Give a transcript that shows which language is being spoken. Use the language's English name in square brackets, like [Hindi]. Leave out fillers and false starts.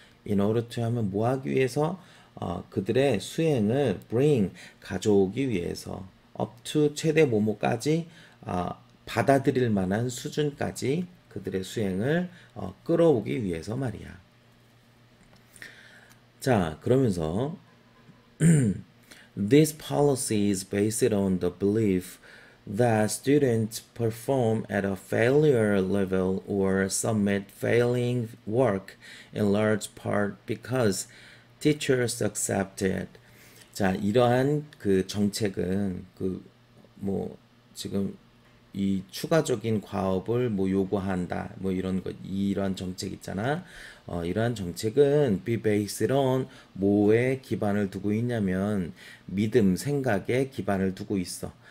[English] In order to [Korean] 하면 뭐 하기 위해서? 그들의 수행을 bring, 가져오기 위해서. up to 최대 뭐뭐까지 받아들일 만한 수준까지 그들의 수행을 끌어오기 위해서 말이야. 자, 그러면서 [English] This policy is based on the belief that students perform at a failure level or submit failing work in large part because teachers accept it. [Korean] 자, 이러한 그 정책은 그뭐 지금 이 추가적인 과업을 뭐 요구한다 뭐 이런 것 이런 정책 있잖아. 이러한 정책은 [English] be based on [Korean] 뭐에 기반을 두고 있냐면 믿음 생각에 기반을 두고 있어.